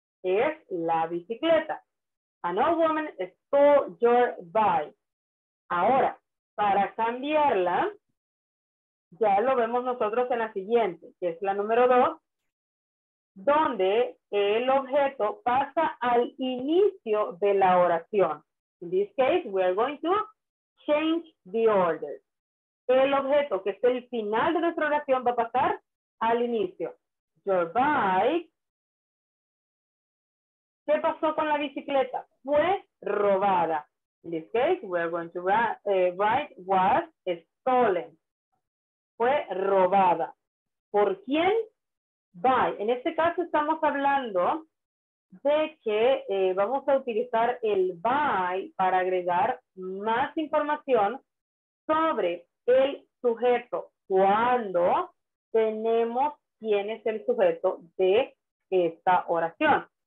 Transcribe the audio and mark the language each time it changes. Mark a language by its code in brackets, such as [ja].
[es] Es la bicicleta. [en] An old woman stole your bike. [es] Ahora, para cambiarla, ya lo vemos nosotros en la siguiente, que es la número 2, donde el objeto pasa al inicio de la oración. [en] In this case, we are going to change the order. [es] El objeto que es el final de nuestra oración va a pasar al inicio. [en] Your bike. [es] ¿Qué pasó con la bicicleta? Fue robada. [en] In this case, we are going to write was stolen. [es] Fue robada. ¿Por quién? By. En este caso estamos hablando de que vamos a utilizar el by para agregar más información sobre el sujeto cuando tenemos quién es el sujeto de esta oración.